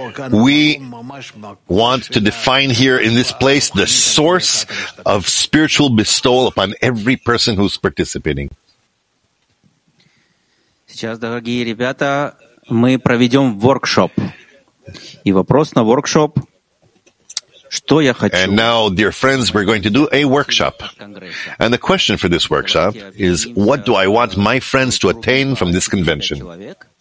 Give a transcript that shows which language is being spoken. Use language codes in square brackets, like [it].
[en] We want to define here in this place the source of spiritual bestowal upon every person who's participating. [ru] Сейчас, дорогие ребята, мы проведем воркшоп. И вопрос на воркшоп. [en] And now, dear friends, we're going to do a workshop. And the question for this workshop is, what do I want my friends to attain from this convention?